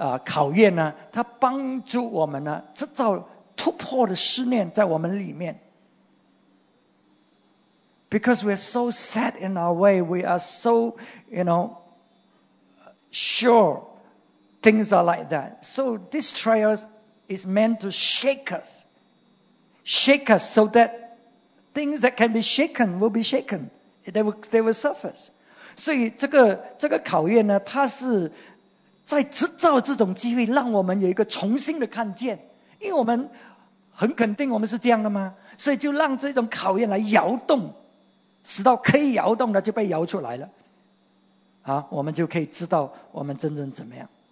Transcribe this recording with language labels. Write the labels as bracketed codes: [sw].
[zh] 考验呢，它帮助我们呢，制造突破的思念在我们里面。 [en] Because we're so set in our way, we are so, you know, sure things are like that. So this trial is meant to shake us so that things that can be shaken will be shaken. They will surface. [zh] 所以这个考验呢，它是在制造这种机会，让我们有一个重新的看见，因为我们很肯定我们是这样的吗？所以就让这种考验来摇动。直到可以摇动的就被摇出来了，我们就可以知道我们真正怎么样。